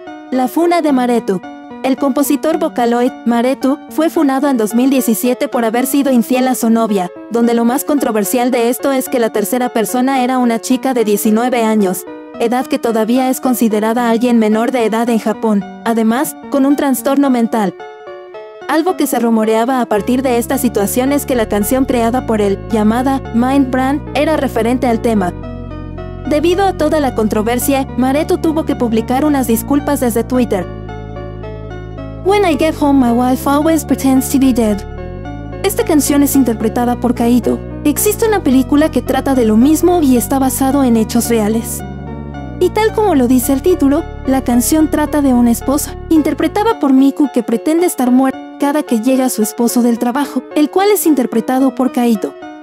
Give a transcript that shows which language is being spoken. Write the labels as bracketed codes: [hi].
[es] La funa de Maretu. El compositor vocaloid Maretu fue funado en 2017 por haber sido infiel a su novia, donde lo más controversial de esto es que la tercera persona era una chica de 19 años, edad que todavía es considerada alguien menor de edad en Japón, además, con un trastorno mental. Algo que se rumoreaba a partir de esta situación es que la canción creada por él, llamada Mind Brand, era referente al tema. Debido a toda la controversia, Maretu tuvo que publicar unas disculpas desde Twitter. [en] When I get home, my wife always pretends to be dead. [es] Esta canción es interpretada por Kaito. Existe una película que trata de lo mismo y está basado en hechos reales. Y tal como lo dice el título, la canción trata de una esposa, interpretada por Miku, que pretende estar muerta cada que llega su esposo del trabajo, el cual es interpretado por Kaito.